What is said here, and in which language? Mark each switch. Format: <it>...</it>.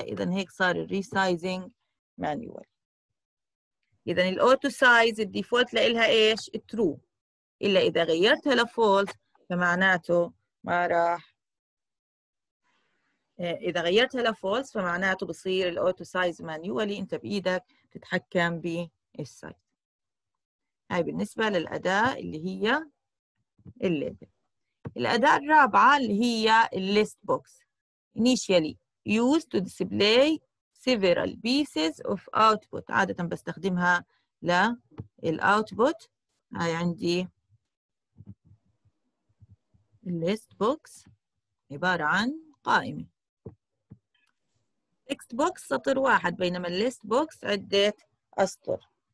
<ar>اذا هيك صار الريسايزنج مانيوال. اذا الاوتو سايز الديفولت لها ايش؟ ترو، الا اذا غيرتها لفولت فمعناته ما راح، اذا غيرتها لفولت فمعناته بصير الاوتو سايز مانيوالي، انت بايدك تتحكم بالسايز. هاي بالنسبة للأداة اللي هي الليبل. الأداة الرابعة اللي هي الليست بوكس.</ar> <en>Initially used to display several pieces of output.</en> <ar>عادة بستخدمها للأوتبوت. هاي عندي الليست بوكس عبارة عن قائمة. تكست بوكس سطر واحد، بينما الليست بوكس عدة أسطر.</ar>